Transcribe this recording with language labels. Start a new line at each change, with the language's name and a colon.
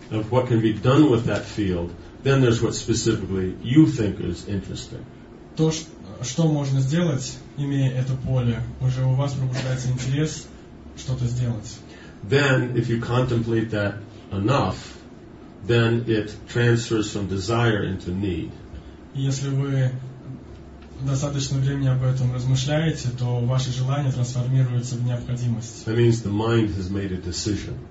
English: Of what can be done with that field, then there's what specifically you think is interesting.
Russian: То, что можно сделать, имея это поле, уже у вас пробуждается интерес что-то сделать.
English: Then, if you contemplate that enough, then it transfers from desire into need.
Russian: Если вы достаточно времени об этом размышляете, то ваши желания трансформируются в необходимость.
English: That means the mind has made a decision.